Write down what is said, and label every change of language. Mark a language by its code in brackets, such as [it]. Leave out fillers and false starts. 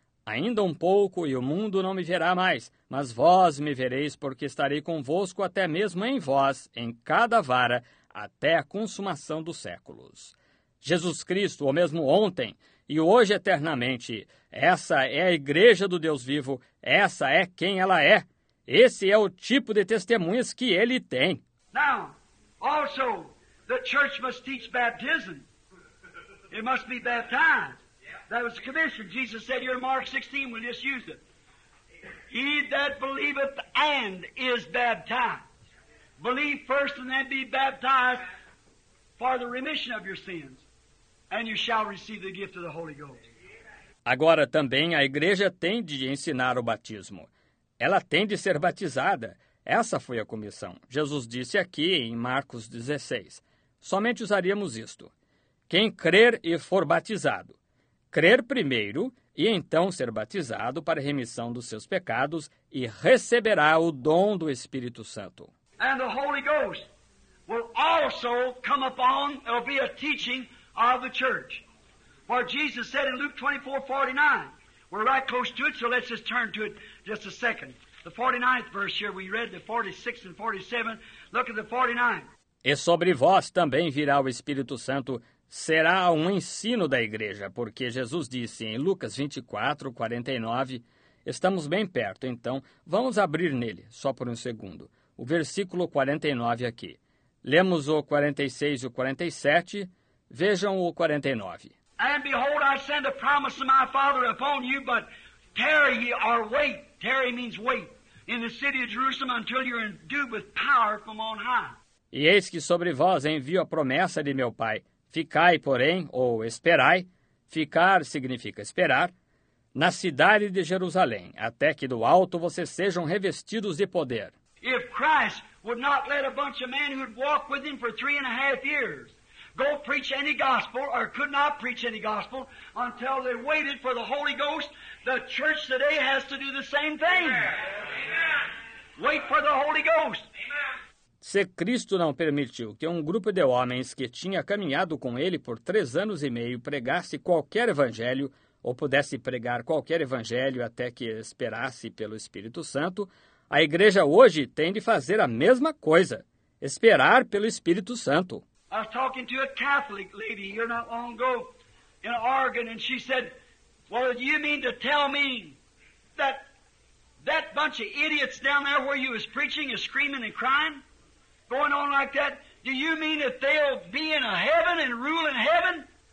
[pt] Ainda um pouco e o mundo não me verá mais, mas vós me vereis, porque estarei convosco até mesmo em vós, em cada vara, até a consumação dos séculos. Jesus Cristo, o mesmo ontem e hoje eternamente, essa é a igreja do Deus vivo, essa é quem ela é. Esse é o tipo de testemunhas que ele tem. [en] Now, also, the church must teach baptism. It must be baptized. That was a commission. Jesus said here in Mark 16, we'll just use it. He that believeth and is baptized. Believe first and then be baptized for the remission of your sins. And you shall receive the gift of the Holy Ghost. [pt] Agora também a igreja tem de ensinar o batismo. Ela tem de ser batizada. Essa foi a comissão. Jesus disse aqui em Marcos 16. Somente usaríamos isto. Quem crer e for batizado. Crer primeiro e então ser batizado para remissão dos seus pecados e receberá o dom do Espírito Santo. [en] And the Holy Ghost will also come upon, it'll be a teaching of the church. For Jesus said in Luke 24:49, we're right close to it, so let's just turn to it just a second. The 49th verse here we read, the 46 and 47, look at the 49. [pt] E sobre vós também virá o Espírito Santo. Será um ensino da igreja, porque Jesus disse em Lucas 24:49, estamos bem perto, então vamos abrir nele, só por um segundo, o versículo 49 aqui. Lemos o 46 e o 47, vejam o 49. [en] And behold, I send a promise of my Father upon you, but tarry ye, or wait. Tarry means wait. In the city of Jerusalem until you're endued with power from on high. [pt] E eis que sobre vós envio a promessa de meu Pai. Ficai, porém, ou esperai. Ficar significa esperar. Na cidade de Jerusalém, até que do alto vocês sejam revestidos de poder. [en] If Christ would not let a bunch of men who'd walked with him for 3.5 years go preach any gospel, or could not preach any gospel, until they waited for the Holy Ghost, the church today has to do the same thing. Amen. Wait for the Holy Ghost. Amen. [pt] Se Cristo não permitiu que um grupo de homens que tinha caminhado com ele por 3 anos e meio pregasse qualquer evangelho, ou pudesse pregar qualquer evangelho até que esperasse pelo Espírito Santo, a igreja hoje tem de fazer a mesma coisa, esperar pelo Espírito Santo. [en] I was talking to a Catholic lady here not long ago in Oregon, and she said, well, do you mean to tell me that that bunch of idiots down there where you was preaching is screaming and crying, going on like that? Do you mean that they'll be in a heaven and rule in heaven?